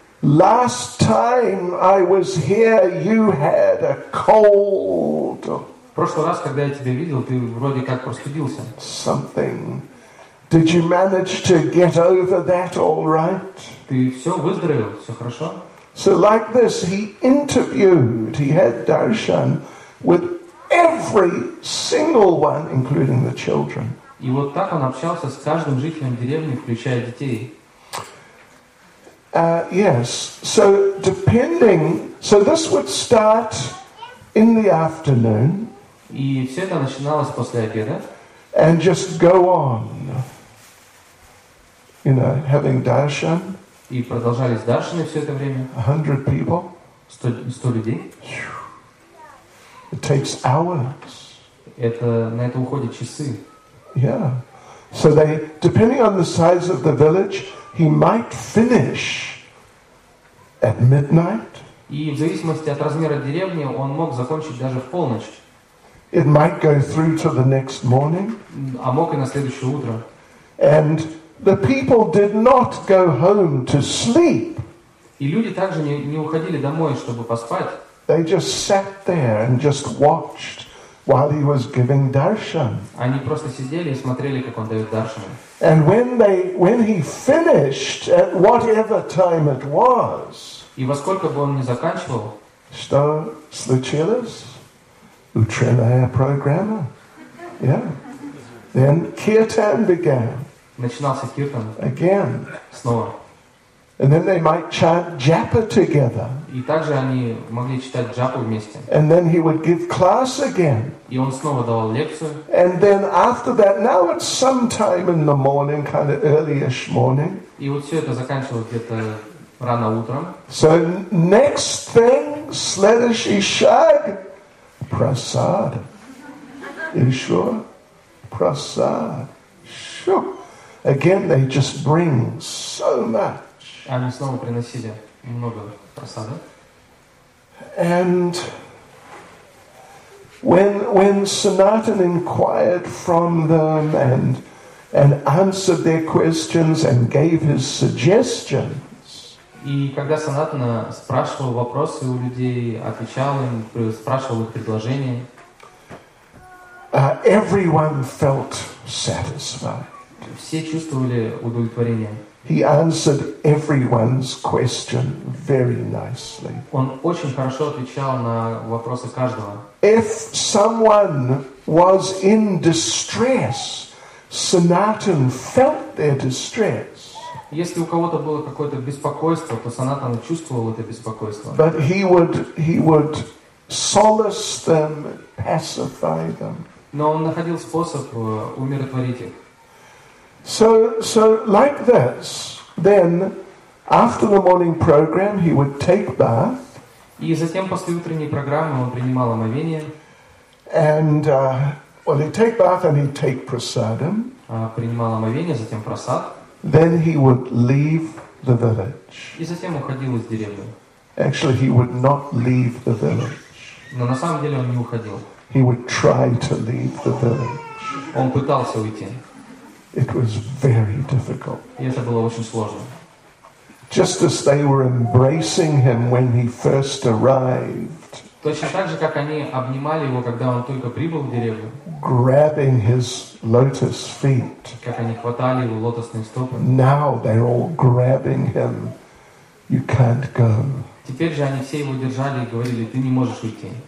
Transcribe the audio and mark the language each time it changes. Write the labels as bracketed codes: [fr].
[en] Last time I was here, you had a cold. [ru] В прошлый раз, когда я тебя видел, ты вроде как простудился. [en] Something. Did you manage to get over that all right? [ru] Ты все выздоровел, все хорошо? [en] So like this, he interviewed, he had darshan with every single one, including the children. [ru] И вот так он общался с каждым жителем деревни, включая детей. [en] Yes. So depending, so this would start in the afternoon. [ru] И все это начиналось после обеда. [en] And just go on, you know, having darshan. [ru] И продолжались даршины все это время. [en] 100 people. [ru] 100 людей. [en] It takes hours. [ru] На это уходят часы. [en] Yeah. So they, depending on the size of the village, he might finish at midnight. [ru] И в зависимости от размера деревни, он мог закончить даже в полночь. [en] It might go through to the next morning. [ru] А мог и на следующее утро. [en] And the people did not go home to sleep. [ru] И люди также не уходили домой, чтобы поспать. [en] They just sat there and just watched while he was giving darshan. [ru] Они просто сидели и смотрели, как он дает даршан. [en] And when he finished at whatever time it was. [ru] И во сколько бы он ни заканчивал. Что случилось? Утренняя программа. [en] Yeah. Then kirtan began. [ru] Начинался киртан. [en] Again. [ru] Снова. [en] And then they might chant japa together. [ru] И также они могли читать джапу вместе. [en] And then he would give class again. [ru] И он снова давал лекцию. [en] And then after that, now it's sometime in the morning, kind of early-ish morning. [ru] И вот все это заканчивалось где-то рано утром. [en] So next thing, [ru] следующий шаг, [en] prasad. You sure? Prasad. Shoo. Again, they just bring so much. [ru] Они снова приносили много просады. [en] And when Sanatan inquired from them and answered their questions and gave his suggestions. [ru] И когда Sanatan спрашивал вопросы у людей, отвечал им, спрашивал их предложения. [en] Everyone felt satisfied. [ru] Все чувствовали удовлетворение. [en] He answered everyone's question very nicely. [ru] Он очень хорошо отвечал на вопросы каждого. [en] If someone was in distress, Sanatan felt their distress. [ru] Если у кого-то было какое-то беспокойство, то Sanatan чувствовал это беспокойство. [en] But he would solace them, pacify them. [ru] Но он находил способ умиротворить их. [en] So like this. Then, after the morning program, he would take bath. [ru] И затем после утренней программы он принимал омовение. [en] And well, he'd take bath and he'd take prasadam. [ru] Принимал омовение, затем прасад. [en] Then he would leave the village. [ru] И затем уходил из деревни. [en] Actually, he would not leave the village. [ru] Но на самом деле он не уходил. [en] He would try to leave the village. [ru] Он пытался уйти. [en] It was very difficult. [ru] И это было очень сложно. [en] Just as they were embracing him when he first arrived. [ru] Точно так же, как они обнимали его, когда он только прибыл в деревню. [en] Grabbing his lotus feet. [ru] Как они хватали его лотосные стопы. [en] Now they're all grabbing him. You can't go. [ru] Теперь же они все его держали и говорили: ты не можешь уйти.